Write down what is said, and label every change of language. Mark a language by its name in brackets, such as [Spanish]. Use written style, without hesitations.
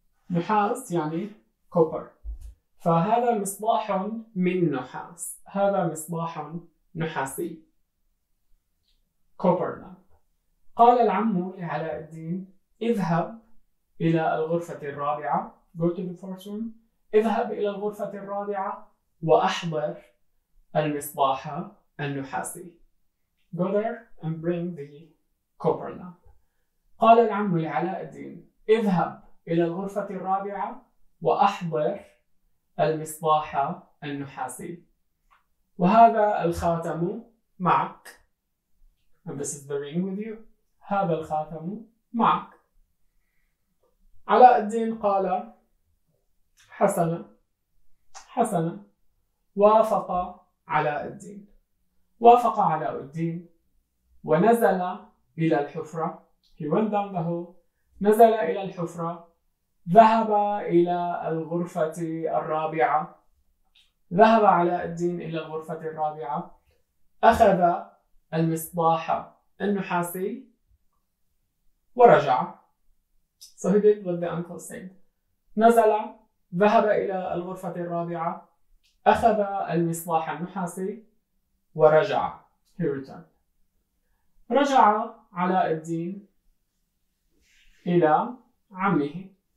[Arabic] نحاس يعني كوبر. فهذا مصباح من نحاس، هذا مصباح نحاسي [English] Copper lamp. [Arabic] قال العم لعلاء الدين: اذهب إلى الغرفة الرابعة، [English] go to the fourth room، [Arabic] اذهب إلى الغرفة الرابعة وأحضر المصباح النحاسي. [English] Go there and bring the copper lamp. [Arabic] قال العم لعلاء الدين: اذهب إلى الغرفة الرابعة وأحضر المصباح النحاسي. وهذا الخاتم معك. [English] And this is the ring with you. [Arabic] هذا الخاتم معك. علاء الدين قال: حسنا حسنا. وافق علاء الدين، وافق علاء الدين ونزل إلى الحفرة. [English] He went down the hole. [Arabic] نزل إلى الحفرة، ذهب إلى الغرفة الرابعة. ذهب علاء الدين إلى الغرفة الرابعة، أخذ المصباح النحاسي ورجع. [English] So he did what the uncle said. [Arabic] نزل، ذهب إلى الغرفة الرابعة، أخذ المصباح النحاسي ورجع. [English] He returned. [Arabic] رجع علاء الدين إلى عمه.